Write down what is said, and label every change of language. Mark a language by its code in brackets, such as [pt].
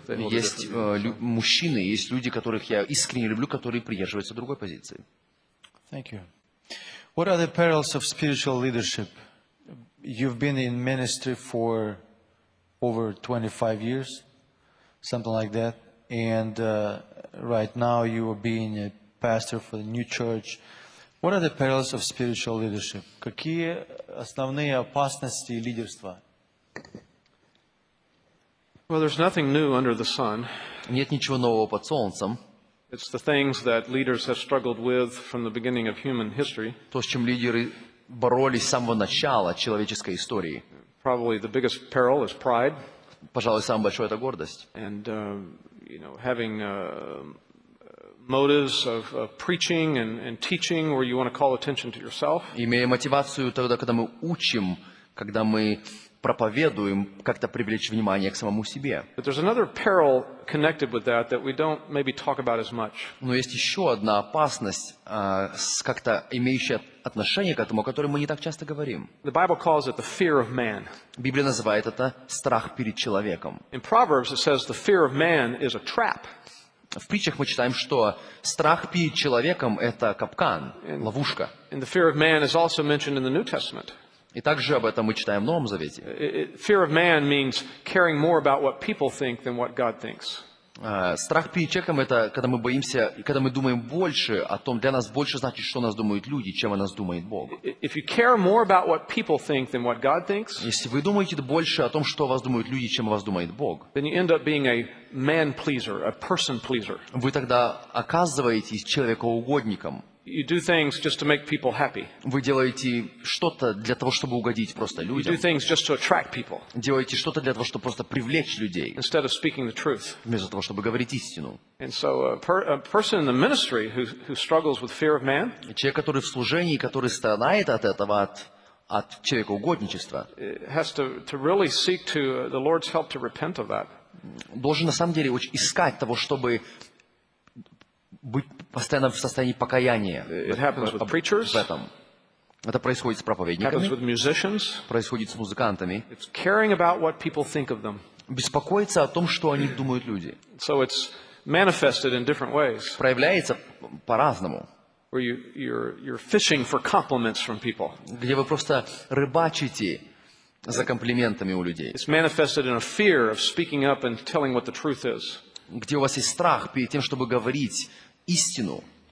[ru] Есть мужчины, есть люди, которых я искренне люблю, которые придерживаются другой позиции. [en] Thank you. What are the perils of spiritual leadership? You've been in ministry for over 25 years, something like that, and right now you are being a pastor for the new church. What are the perils of spiritual leadership? [ru] Какие основные опасности лидерства? [en] Well, there's nothing new under the sun. [ru] Нет ничего нового под солнцем. [en] It's the things that leaders have struggled with from the beginning of human history. [ru] То, с чем лидеры боролись с самого начала человеческой истории. [en] Probably the biggest peril is pride. [ru] Пожалуй, самое большое — это гордость. [en] And you know, having motives of preaching and teaching where you want to call attention to yourself. [ru] Имея мотивацию тогда, когда мы учим, когда мы проповедуем, как-то привлечь внимание к самому себе. [en] But there's another peril connected with that that we don't maybe talk about as much. [ru] Но есть еще одна опасность, как-то имеющая отношение к этому, о котором мы не так часто говорим. [en] The Bible calls it the fear of man. [ru] Библия называет это страх перед человеком. [en] In Proverbs it says the fear of man is a trap. [ru] В притчах мы читаем, что страх перед человеком — это капкан, ловушка. [en] And the fear of man is also mentioned in the New Testament. [ru] И также об этом мы читаем в Новом Завете. [en] Fear of man means caring more about what people think than what God thinks. [ru] Страх перед человеком — это когда мы боимся, когда мы думаем больше о том, для нас больше значит, что нас думают люди, чем о нас думает Бог. [en] If you care more about what people think than what God thinks, [ru] если вы думаете больше о том, что о вас думают люди, чем о вас думает Бог, [en] then you end up being a man pleaser, a person pleaser. [ru] Вы тогда оказываетесь человекоугодником. [en] You do things just to make people happy. [ru] Вы делаете что-то для того, чтобы угодить просто людям. [en] You do things just to attract people. [ru] Делаете что-то для того, чтобы просто привлечь людей. [en] Instead of speaking the truth. [ru] Вместо того, чтобы говорить истину. [en] And so a person in the ministry who struggles with fear of man. [ru] Человек, который в служении, который страдает от этого, от человекоугодничества. [en] Has to really seek to the Lord's help to repent of that. [ru] Должен на самом деле искать того, чтобы быть постоянно в состоянии покаяния. [en] It happens with preachers. [ru] В этом. Это происходит с проповедниками. [en] It happens with musicians. [ru] Происходит с музыкантами. [en] It's caring about what people think of them. [ru] Беспокоиться о том, что о них думают люди. [en] So it's manifested in different ways. [ru] Проявляется по-разному. [en] Where you're fishing for compliments from people. [ru] Где вы просто рыбачите за комплиментами у людей. [en] It's manifested in a fear of speaking up and telling what the truth is. [ru] Где у вас есть страх перед тем, чтобы говорить истину.